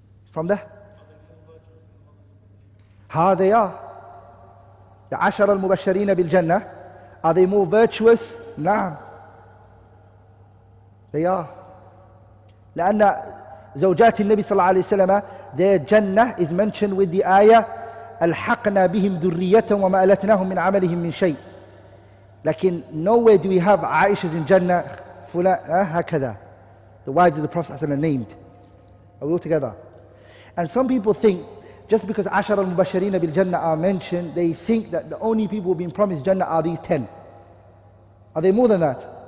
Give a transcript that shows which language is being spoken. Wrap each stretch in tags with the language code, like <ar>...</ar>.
<en>From there? How they are? The Ashar al-Mubashirin bil Jannah, are they more virtuous?</en> <ar>Naam.</ar> <en>They are.</en> <ar>لأن زوجات النبي صلى الله عليه وسلم,</ar> <en>their Jannah is mentioned with the ayah</en> <ar>الحقنا بهم ذرية وما ألتناهم من عملهم من شيء. لكن</ar> <en>nowhere do we have Aisha's in Jannah,</en> <ar>فلان, هكذا.</ar> <en>The wives of the Prophet are named. Are we all together? And some people think, just because Ashar al-Mubashirin bil Jannah are mentioned, they think that the only people being promised Jannah are these 10. Are they more than that?</en>